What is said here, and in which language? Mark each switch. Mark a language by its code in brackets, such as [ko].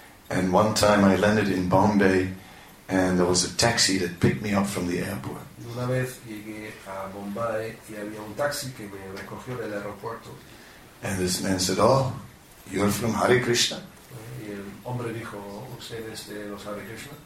[en] And one time I landed in Bombay and there was a taxi that picked me up from the airport. [es] Una vez llegué a Bombay y había un taxi que me recogió del aeropuerto. [en] And this man said, "Oh, you're from Hare Krishna?" [es] Y el hombre dijo, "¿Usted es de los Hare Krishna?"